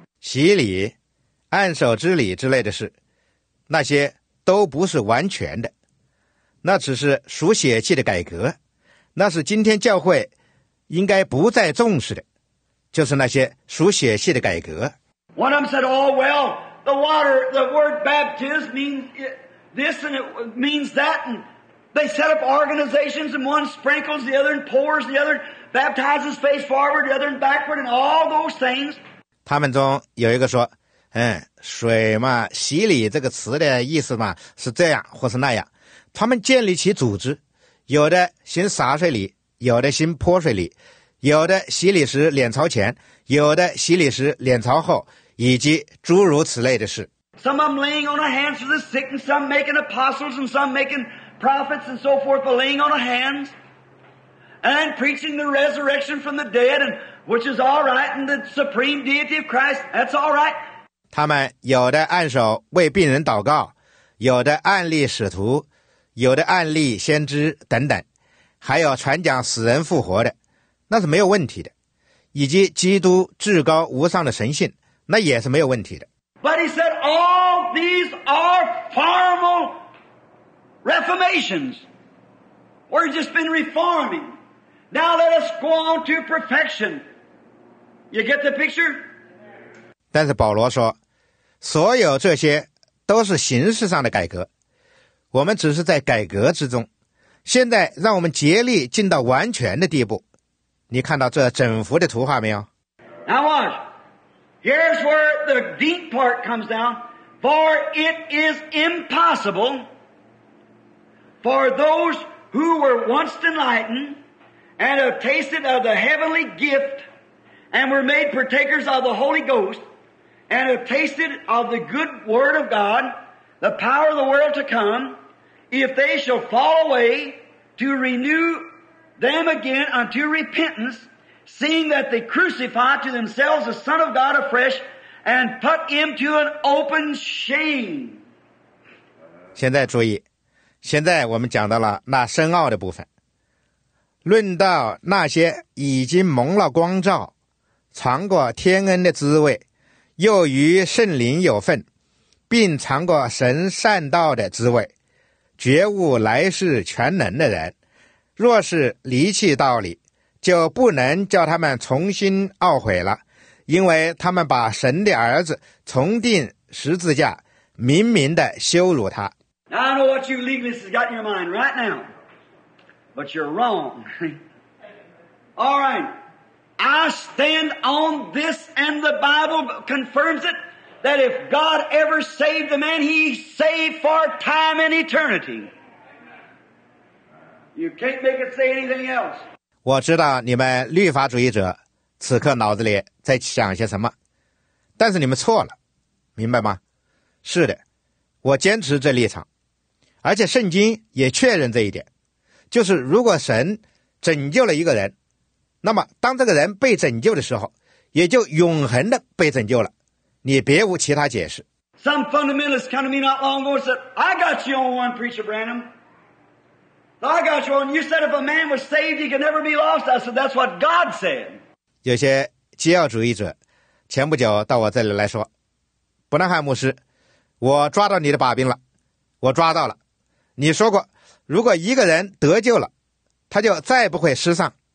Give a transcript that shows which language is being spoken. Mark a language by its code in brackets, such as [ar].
[zh] 洗礼、按手之礼之类的事，那些都不是完全的，那只是属血气的改革，那是今天教会应该不再重视的，就是那些属血气的改革。 [en] One of them said, "Oh well, the water, the word baptism means this and it means that, and they set up organizations and one sprinkles the other and pours the other, baptizes face forward, the other and backward, and all those things." [zh] 他们中有一个说，嗯，水嘛，洗礼这个词的意思嘛是这样或是那样。他们建立起组织，有的行洒水礼，有的行泼水礼，有的洗礼时脸朝前，有的洗礼时脸朝后，以及诸如此类的事。 [en] Some of them laying on the hands for the sick, and some making apostles, and some making prophets, and so forth. But laying on the hands and preaching the resurrection from the dead, and which is all right, and the supreme deity of Christ. That's all right. [zh] 他们有的按手为病人祷告，有的按立使徒，有的案例先知等等，还有传讲死人复活的，那是没有问题的，以及基督至高无上的神性，那也是没有问题的。 [en] But he said all these are formal reformations. We're just been reforming. Now let us go on to perfection. You get the picture? [zh] 但是保罗说，所有这些都是形式上的改革。我们只是在改革之中，现在让我们竭力进到完全的地步。你看到这整幅的图画没有？ [en] Now watch. Here's where the deep part comes down. For it is impossible for those who were once enlightened and have tasted of the heavenly gift and were made partakers of the Holy Ghost and have tasted of the good word of God, the power of the world to come, if they shall fall away, to renew them again unto repentance, seeing that they crucify to themselves the Son of God afresh, and put him to an open shame. [zh] 现在注意，现在我们讲到了那深奥的部分，论到那些已经蒙了光照，尝过天恩的滋味，又与圣灵有份，并尝过神善道的滋味，觉悟来世全能的人，若是离弃道理，就不能叫他们重新懊悔了，因为他们把神的儿子重钉十字架，明明的羞辱他。 [en] Now I know what you legalists got in your mind right now, but you're wrong. All right, I stand on this, and the Bible confirms it. That if God ever saved a man, he saved for time and eternity. You can't make it say anything else. [zh] 我知道你们律法主义者此刻脑子里在想些什么，但是你们错了，明白吗？是的，我坚持这立场，而且圣经也确认这一点，就是如果神拯救了一个人，那么当这个人被拯救的时候，也就永恒的被拯救了。你别无其他解释。 [en] Some fundamentalists come to me not long ago and said, "I got you on one, Preacher Branham. I got you on. You said if a man was saved, he could never be lost." I said, "That's what God said." [zh] 有些基要主义者前不久到我这里来说，伯南汉牧师，我抓到你的把柄了，我抓到了。你说过，如果一个人得救了，他就再不会失丧。